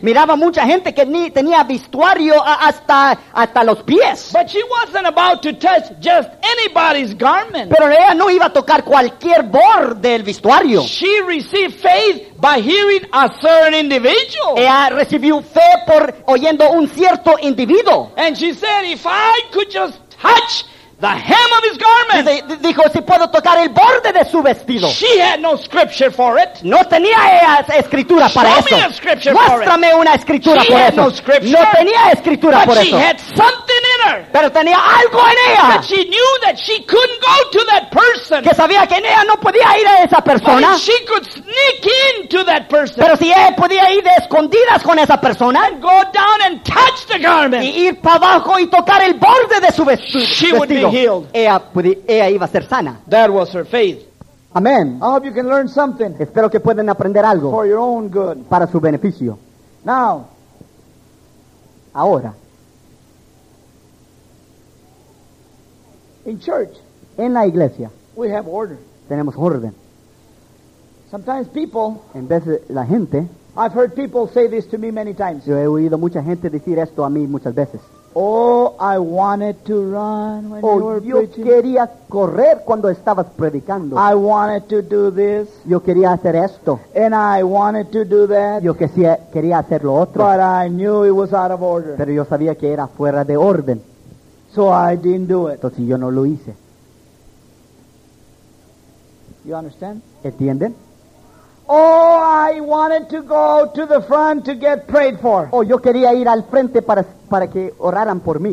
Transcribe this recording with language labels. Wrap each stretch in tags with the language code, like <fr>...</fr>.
<es>Miraba mucha gente que ni tenía vestuario hasta los pies.</es> <en>But she wasn't about to touch just anybody's garment.</en> <es>Pero ella no iba a tocar cualquier borde del vestuario.</es> <en>She received faith by hearing a certain individual.</en> <es>Ella recibió fe por oyendo un cierto individuo.</es> <en>And she said, if I could just touch the hem of his garment.</en> <es>Dijo, si puedo tocar el borde de su vestido.</es> <en>She had no scripture for it.</en> <es>No tenía ella escritura para</es> <en>show Show me a scripture.</en> <es>Muéstrame</es> <en>for it.</en> <es>Una escritura</es> <en>she</en> <es>por</es> <en>had</en> <es>eso.</es> <en>No scripture.</en> <es>No tenía escritura por</es> <en>she</en> <es>eso.</es> <en>She had something in her.</en> <es>Pero tenía algo en ella.</es> <en>But she knew that she couldn't go to that person.</en> <es>Que sabía que en ella no podía ir a esa persona.</es> <en>But she could sneak into that person.</en> <es>Pero si ella podía ir de escondidas con esa persona.</es> <en>And go down and touch the garment.</en> <es>Y ir para abajo y tocar el borde de su vestido.</es> <en>She would be healed.</en> <es>Ella iba a ser sana.</es> <en>That was her faith. Amen. I hope you can learn something.</en> <es>Espero que puedan aprender algo.</es> <en>For your own good.</en> <es>Para su beneficio.</es> <en>Now.</en> <es>Ahora.</es> <en>In church.</en> <es>En la iglesia.</es> <en>We have order.</en> <es>Tenemos orden.</es> <en>Sometimes people,</en> <es>en vez de la gente,</es> <en>I've heard people say this to me many times.</en> <es>Yo he oído mucha gente decir esto a mí muchas veces.</es> <en>Oh, I wanted to run when you were preaching.</en> <es>Yo quería correr cuando estabas predicando.</es> <en>I wanted to do this.</en> <es>Yo quería hacer esto.</es> <en>And I wanted to do that.</en> <es>Yo quería hacer lo otro.</es> <en>But I knew it was out of order.</en> <es>Pero yo sabía que era fuera de orden.</es> <en>So I didn't do it.</en> <es>Entonces yo no lo hice.</es> <en>You understand?</en> <es>¿Entienden?</es> <en>Oh, I wanted to go to the front to get prayed for.</en> <es>Oh, yo quería ir al frente para que oraran por mí.</es>